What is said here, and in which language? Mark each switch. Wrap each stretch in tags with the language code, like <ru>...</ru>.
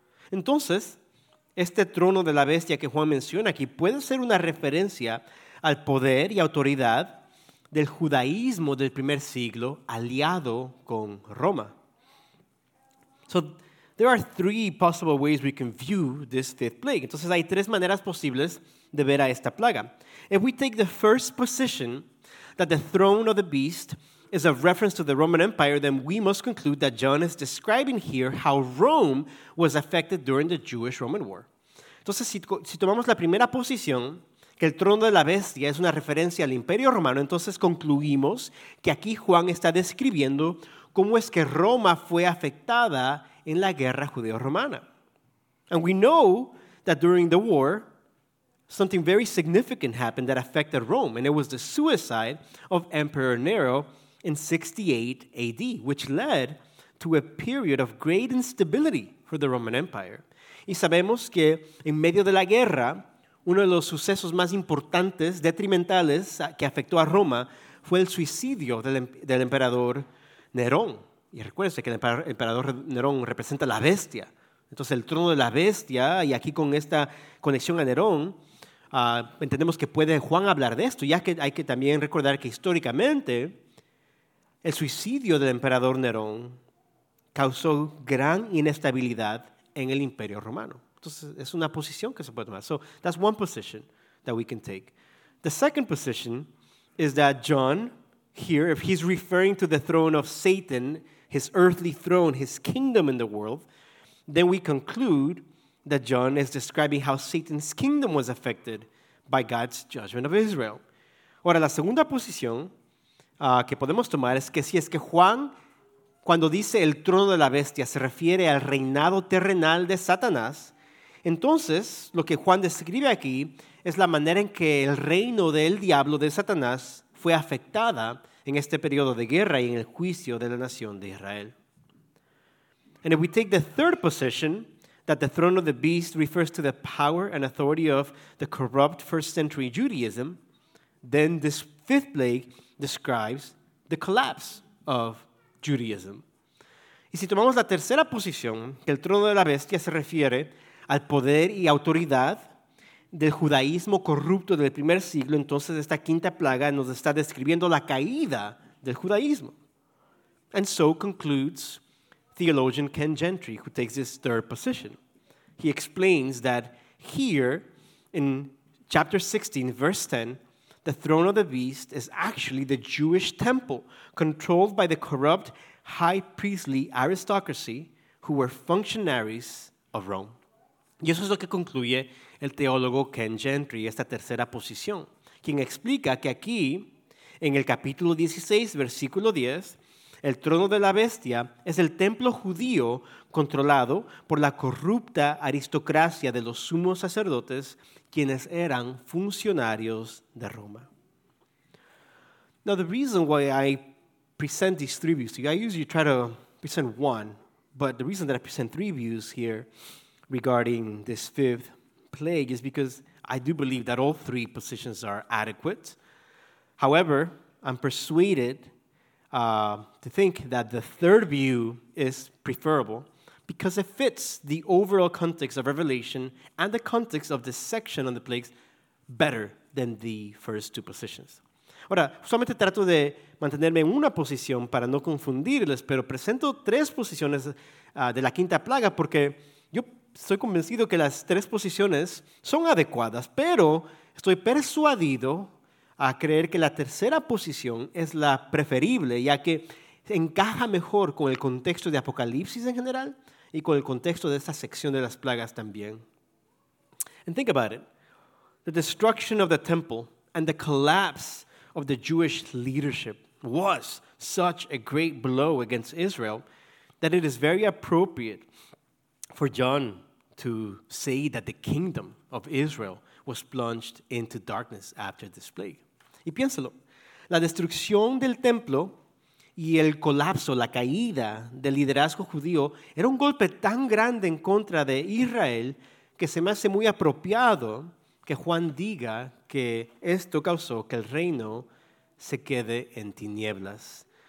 <es>Entonces, este trono de la bestia que Juan menciona aquí puede ser una referencia al poder y autoridad del judaísmo del primer siglo aliado con Roma.</es> <en>So, there are three possible ways we can view this fifth plague.</en> <es>Entonces, hay tres maneras posibles de ver a esta plaga.</es> <en>If we take the first position, that the throne of the beast is a reference to the Roman Empire, then we must conclude that John is describing here how Rome was affected during the Jewish-Roman War.</en> <es>Entonces, si tomamos la primera posición, que el trono de la bestia es una referencia al Imperio Romano, entonces concluimos que aquí Juan está describiendo cómo es que Roma fue afectada en la guerra judeo-romana.</es> <en>And we know that during the war, something very significant happened that affected Rome, and it was the suicide of Emperor Nero in 68 AD, which led to a period of great instability for the Roman Empire.</en> <es>Y sabemos que en medio de la guerra, uno de los sucesos más importantes, detrimentales, que afectó a Roma fue el suicidio del emperador Nerón. Y recuérdense que el emperador Nerón representa la bestia. Entonces, el trono de la bestia, y aquí con esta conexión a Nerón, entendemos que puede Juan hablar de esto, ya que hay que también recordar que históricamente el suicidio del emperador Nerón causó gran inestabilidad en el Imperio Romano. Entonces, es una posición que se puede tomar.</es> <en>So, that's one position that we can take. The second position is that John, here, if he's referring to the throne of Satan, his earthly throne, his kingdom in the world, then we conclude that John is describing how Satan's kingdom was affected by God's judgment of Israel.</en> <es>Ahora, la segunda posición que podemos tomar es que si es que Juan, cuando dice el trono de la bestia, se refiere al reinado terrenal de Satanás, entonces lo que Juan describe aquí es la manera en que el reino del diablo de Satanás fue afectada en este periodo de guerra y en el juicio de la nación de Israel.</es> <en>And if we take the third position, that the throne of the beast refers to the power and authority of the corrupt first century Judaism, then this fifth plague describes the collapse of Judaism.</en> <es>Y si tomamos la tercera posición, que el trono de la bestia se refiere al poder y autoridad del judaísmo corrupto del primer siglo, entonces esta quinta plaga nos está describiendo la caída del judaísmo.</es> <en>And so concludes theologian Ken Gentry, who takes this third position. He explains that here in chapter 16, verse 10, the throne of the beast is actually the Jewish temple controlled by the corrupt high priestly aristocracy who were functionaries of Rome.</en> <es>Y eso es lo que concluye el teólogo Ken Gentry, esta tercera posición, quien explica que aquí, en el capítulo 16, versículo 10, el trono de la bestia es el templo judío controlado por la corrupta aristocracia de los sumos sacerdotes, quienes eran funcionarios de Roma.</es> <en>Now, the reason why I present these three views to you, I usually try to present one, but the reason that I present three views here regarding this fifth plague is because I do believe that all three positions are adequate. However, I'm persuaded to think that the third view is preferable because it fits the overall context of Revelation and the context of this section on the plagues better than the first two positions.</en> <es>Ahora, solamente trato de mantenerme en una posición para no confundirles, pero presento tres posiciones de la quinta plaga porque yo estoy convencido que las tres posiciones son adecuadas, pero estoy persuadido a creer que la tercera posición es la preferible, ya que encaja mejor con el contexto de Apocalipsis en general y con el contexto de esta sección de las plagas también.</es> <en>And think about it. The destruction of the temple and the collapse of the Jewish leadership was such a great blow against Israel that it is very appropriate for John to say that the kingdom of Israel was plunged into darkness after this plague.</en> <es>Y piénselo, la destrucción del templo y el colapso, la caída del liderazgo judío era un golpe tan grande en contra de Israel que se me hace muy apropiado que Juan diga que esto causó que el reino se quede en tinieblas.</es>